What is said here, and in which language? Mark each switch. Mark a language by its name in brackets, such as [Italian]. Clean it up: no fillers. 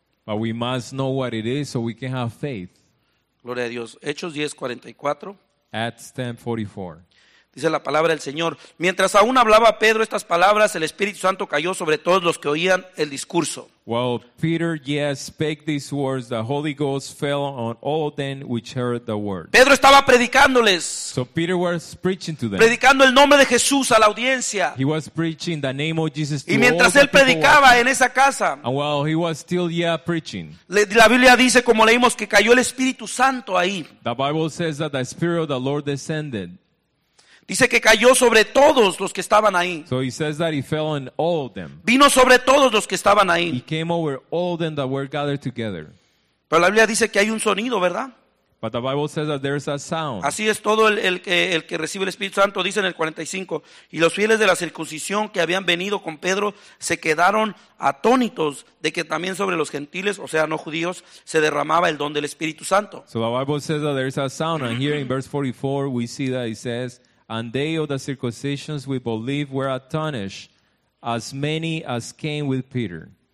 [English] But we must know what it is so we can have faith. [Spanish] Gloria a Dios. Hechos 10:44. [English] Acts 10:44. [Spanish] Dice la palabra del Señor: mientras aún hablaba Pedro estas palabras, el Espíritu Santo cayó sobre todos los que oían el discurso. [English] While Peter spake these words, the Holy Ghost fell on all them which heard the word. [Spanish] Pedro estaba predicándoles. [English] So Peter was preaching to them. [Spanish] Predicando el nombre de Jesús a la audiencia. [English] He was preaching the name of Jesus to all. [Spanish] Y mientras él predicaba en esa casa. [English] And while he was still preaching. [Spanish] La Biblia dice, como leímos, que cayó el Espíritu Santo ahí. [English] The Bible says that the Spirit of the Lord descended. [Spanish] Dice que cayó sobre todos los que estaban ahí. [English] So he says that he fell on all of them. [Spanish] Vino sobre todos los que estaban ahí. [English] He came over all of them that were gathered together. [Spanish] Pero la Biblia dice que hay un sonido, ¿verdad? [English] But the Bible says that there's a sound. [Spanish] Así es todo el que recibe el Espíritu Santo, dice en el 45. Y los fieles de la circuncisión que habían venido con Pedro se quedaron atónitos de que también sobre los gentiles, o sea, no judíos, se derramaba el don del Espíritu Santo. [English] So the Bible says that there's a sound. And here in verse 44 we see that it says, and they of the circumcisions we believe were astonished, as many as came with Peter.